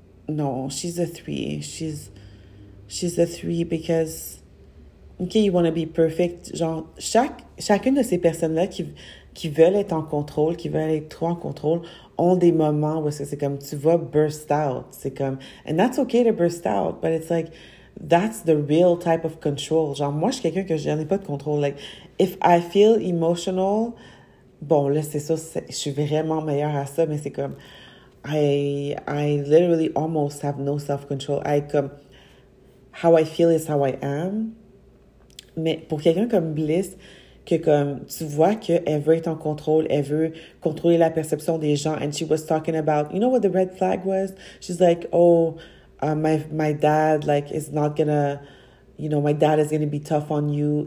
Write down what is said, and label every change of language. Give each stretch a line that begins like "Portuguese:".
English: No, she's a three because, okay, you want to be perfect.
French: Genre, chacune de ces personnes-là qui veulent être en contrôle, qui veulent être trop en contrôle, ont des moments où c'est comme, tu vas burst out. C'est comme,
English: and that's okay to burst out, but it's like, that's the real type of control.
French: Genre, moi, je suis quelqu'un que je n'ai pas de contrôle.
English: Like, if I feel emotional,
French: bon, là, c'est ça, je suis vraiment meilleure à ça, mais c'est comme...
English: I literally almost have no self-control. I come, how I feel is how I am.
French: Mais pour quelqu'un comme Bliss, que comme, tu vois qu'elle veut être en contrôle, elle veut contrôler la perception des gens,
English: and she was talking about, you know what the red flag was? She's like, oh, my dad, like, is not gonna, you know, my dad is gonna be tough on you.